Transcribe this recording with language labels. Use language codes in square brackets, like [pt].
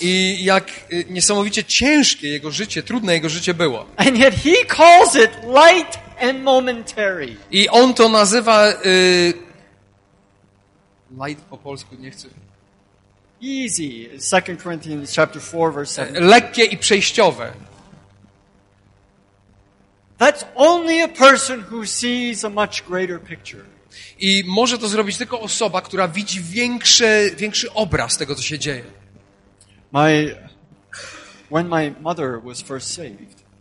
[pl] I jak niesamowicie ciężkie jego życie, trudne jego życie było. [en] And yet he calls it light and momentary. [pl] I on to nazywa light po polsku nie chcę. [en] Easy. 2 Corinthians chapter 4 verse 7. [pl] Lekkie i przejściowe. [en] That's only a person who sees a much greater picture. [pl] I może to zrobić tylko osoba, która widzi większy obraz tego, co się dzieje. [en] When my mother was first saved.